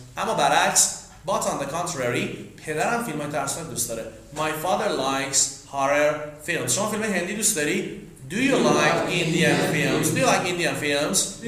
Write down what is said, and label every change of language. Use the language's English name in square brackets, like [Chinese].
[Persian] اما برعکس [English] but on the contrary [Persian] پدرم فیلم ترسناک دوست داره. [English] My father likes horror films. [Persian] شما فیلم هندی دوست داری؟ [English] Do you like Indian films?